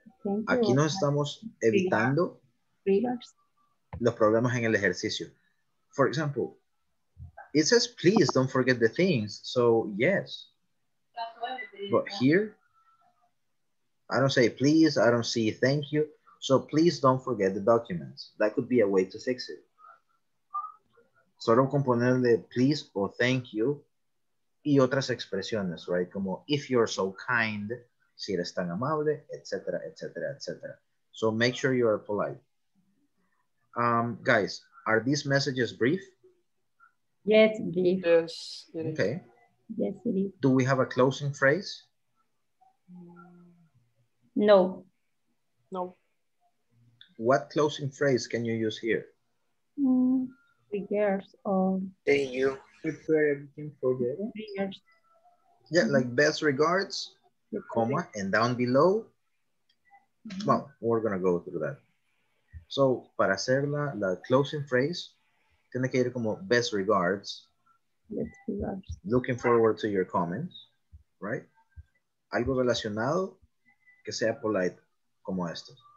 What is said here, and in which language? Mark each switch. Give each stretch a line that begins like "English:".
Spanish: Aquí nos estamos evitando los problemas en el ejercicio.
English: For example, it says, please don't forget the things. So, yes. But here, I don't say please, I don't see thank you. So please don't forget the documents. That could be a way to fix it.
Spanish: Solo componerle please o thank you y otras expresiones, right? Como
English: if you're so kind,
Spanish: si eres tan amable, etc., etc., etc.
English: So make sure you are polite. Guys, are these messages brief? Yes, brief. Yes. Okay. Yes, it is. Do we have a closing phrase? No. No. What closing phrase can you use here? Figures of. Thank you. Prepare everything for the. Yeah, like best regards, your comma, and down below. Mm-hmm. Well, we're going to go through that.
Spanish: So, para hacer la closing phrase, tiene que ir como best regards.
English: Looking forward to your comments, right?
Spanish: Algo relacionado que sea polite, como esto.